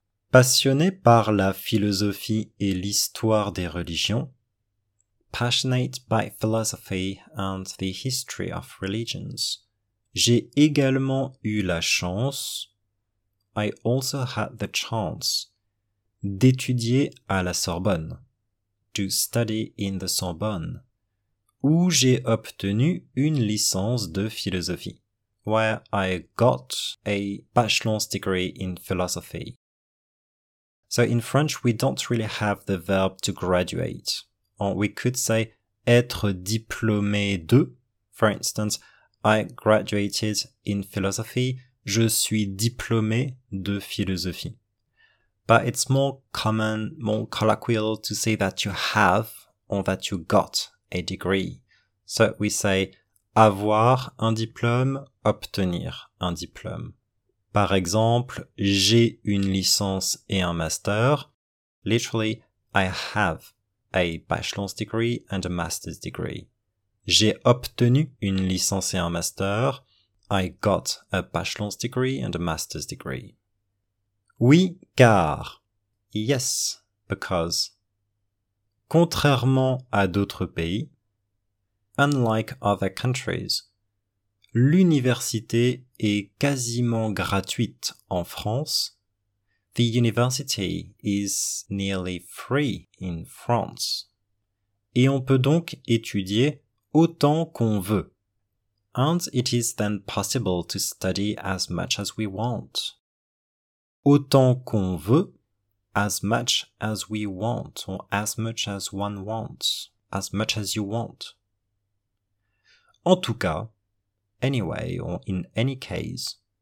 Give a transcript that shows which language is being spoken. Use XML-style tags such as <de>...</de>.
<fr>Passionné par la philosophie et l'histoire des religions.</fr> <en>Passionate by philosophy and the history of religions.</en> <fr>J'ai également eu la chance,</fr> <en>I also had the chance,</en> <fr>d'étudier à la Sorbonne.</fr> <en>To study in the Sorbonne.</en> <fr>Où j'ai obtenu une licence de philosophie.</fr> <en>Where I got a bachelor's degree in philosophy. So in French, we don't really have the verb to graduate. Or we could say</en> <fr>être diplômé de.</fr> <en>For instance, I graduated in philosophy.</en> <fr>Je suis diplômé de philosophie.</fr> <en>But it's more common, more colloquial to say that you have or that you got a degree. So we say</en> <fr>avoir un diplôme, obtenir un diplôme. Par exemple, j'ai une licence et un master.</fr> <en>Literally, I have a bachelor's degree and a master's degree.</en> <fr>J'ai obtenu une licence et un master.</fr> <en>I got a bachelor's degree and a master's degree.</en> <fr>Oui, car.</fr> <en>Yes, because.</en> <fr>Contrairement à d'autres pays,</fr> <en>unlike other countries,</en> <fr>l'université est quasiment gratuite en France.</fr> <en>The university is nearly free in France.</en> <fr>Et on peut donc étudier autant qu'on veut.</fr> <en>And it is then possible to study as much as we want.</en> <fr>Autant qu'on veut.</fr> <en>As much as we want, or as much as one wants, as much as you want.</en> <fr>En tout cas,</fr> <en>anyway, or in any case,</en>